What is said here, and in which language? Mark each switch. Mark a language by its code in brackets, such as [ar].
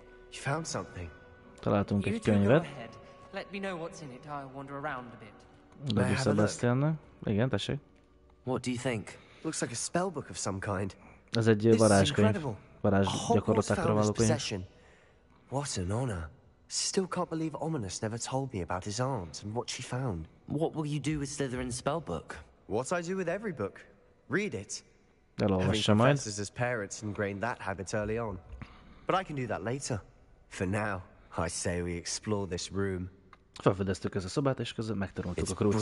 [en] You found something. [hu] Találtunk egy könyvet. [en] Let me know what's in it. I wander around a bit. [hu] Legyük Sebastiannak. Igen, tessék. [en] What do you think? Looks like a spellbook of some kind. [hu] Ez egy varázskönyv. Varázsgyakorlatokra való könyv. [en] What an honor. Still can't believe Ominous never told me about his aunt and what she found. What will you do with Slytherin's spellbook? What I do with every book. Read it. [hu] Elolvassa majd. [en] Having confessors as parents ingrained that habit early on. But I can do that later. For now, I say we explore this room. [hu] Felfedeztük ezt a szobát, és közben megtanultuk a krúciót.